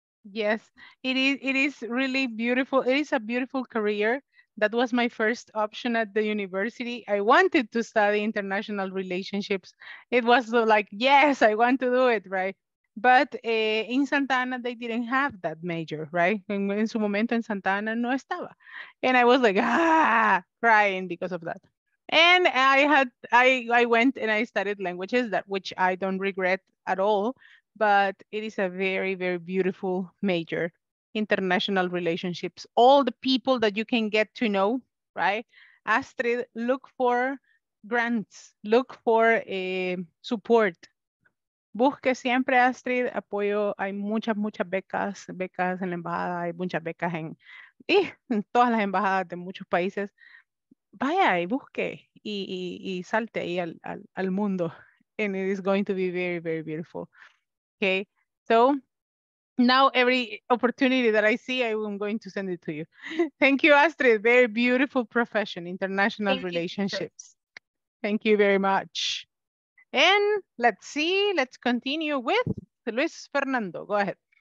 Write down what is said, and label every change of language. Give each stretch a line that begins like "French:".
English: Yes, it is really beautiful. It is a beautiful career. That was my first option at the university. I wanted to study international relationships. It was like, yes, I want to do it, right? But in Santa Ana, they didn't have that major, right?
Spanish: En su momento en Santa Ana no estaba.
English: And I was like, crying because of that. And I went and I studied languages, that which I don't regret at all, but it is a very, very beautiful major, international relationships. All the people that you can get to know, right? Astrid, look for grants, look for support.
Spanish: Busque siempre, Astrid, apoyo. Hay muchas, muchas becas en la embajada, hay muchas becas en todas las embajadas de muchos países. Vaya y busque y salte ahí al mundo.
English: And it is going to be very, very beautiful. Okay, so now every opportunity that I see, I'm going to send it to you. Thank you, Astrid. Very beautiful profession, international relationships. Thank you very much. And let's continue with Luis Fernando. Go ahead.